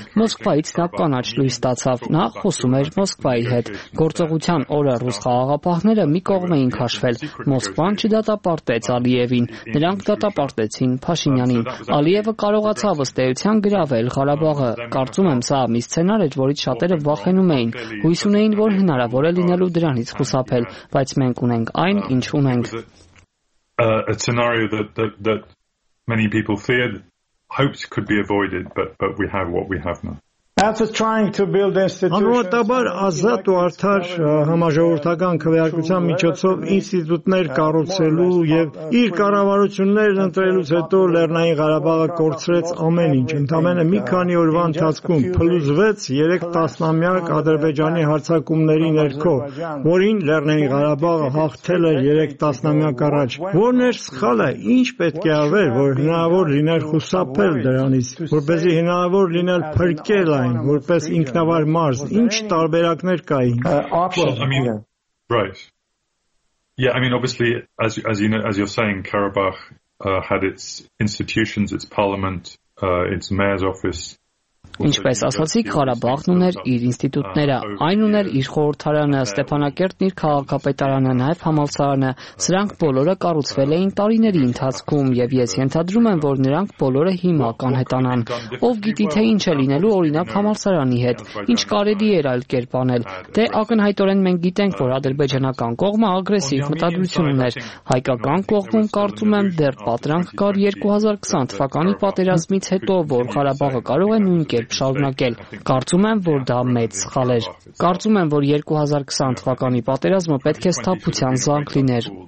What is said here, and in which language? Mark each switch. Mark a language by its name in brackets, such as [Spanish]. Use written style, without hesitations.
[Armenian] Մոսկվայից նա կանաչ լույս ստացավ, նա խոսում էր Մոսկվայի հետ։ Գործողության օրը ռուս խաղաղապահները մի կողմ էին քաշվել։ Մոսկվան չդատապարտեց Ալիևին, նրանք դատապարտեցին Փաշինյանին։ Ալիևը կարողացավ ըստեյության գրավել Ղարաբաղը։ Կարծում եմ, սա մի սցենար էր, որից շատերը վախենում էին, հույս ունեին, որ հնարավոր է լինելու դրանից խուսափել, բայց մենք ունենք այն, ինչ ունենք։ [English] A scenario that many people feared, hoped could be avoided, but we have what we have now. After trying to build institutions, [Armenian] անհրաժեշտ է ազատ ու արդար համաժողովրդական քվեարկության միջոցով ինստիտուտներ կառուցելու եւ իր կառավարություններն ընտրելուց հետո Լեռնային Ղարաբաղը կորցրեց ամեն ինչ։ Ընդամենը մի քանի օրվա ընթացքում փլուզվեց 3 տասնամյակ ադրբեջանի հարձակումների ներքո, որին Լեռնային Ղարաբաղը հաղթել էր 3 տասնամյակ առաջ։ Որն էր սխալը, ինչ պետք է արվեր, որ հնարավոր լիներ խուսափել դրանից, որպեսզի հնարավոր լինել փրկել որպես ինքնավար մարզ, ինչ տարբերակներ կային։ [English] Right. Yeah, I mean obviously as you know, as you're saying, Karabakh had its institutions, its parliament, its mayor's office. [Armenian] Ինչպես ասացիք, Ղարաբաղն ուներ իր ինստիտուտները, այն ուներ իր խորհրդարանը, Ստեփանակերտն իր քաղաքապետարանը, նաև համալսարանը։ Սրանք բոլորը կառուցվել էին տարիների ընթացքում, և ես ենթադրում եմ, որ նրանք բոլորը հիմա կանհետանան։ Ով գիտի, թե ինչ է լինելու, օրինակ, համալսարանի հետ, ինչ կարելի էր այլ կերպ անել։ Դե ակնհայտորեն մենք գիտենք, որ ադրբեջանական կողմը ագրեսիվ մտադրություն ուներ։ Հայկական կողմում կարծում եմ, դեռ պատրանք կար 2020 թվականի պատերազմից հետո, որ Ղարաբաղը կարող է կերպ շարունակել։ Կարծում եմ, որ դա մեծ սխալ էր։ Կարծում եմ, որ 2020 թվականի պատերազմը պետք է սթափության զանգ լիներ,